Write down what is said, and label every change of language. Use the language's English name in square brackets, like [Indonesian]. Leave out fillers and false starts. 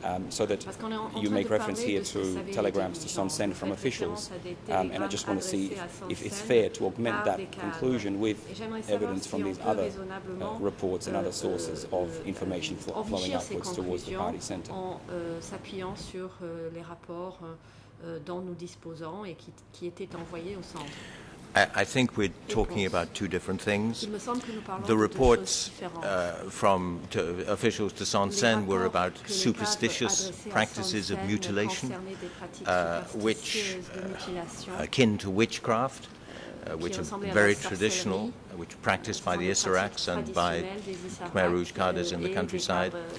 [English] So that you make reference here to telegrams to Son Sen from officials, and I just want to see if it's fair to augment that conclusion with evidence from these other reports and other sources of information flowing upwards towards the party center. [French] En s'appuyant sur les rapports dont nous disposons et qui étaient envoyés au centre. [English] I think we're talking about two different things. The reports from officials to Son Sen were about superstitious practices of mutilation, which akin to witchcraft, which are very traditional, which are practiced by the Issaraks and by Khmer Rouge cadres in the countryside.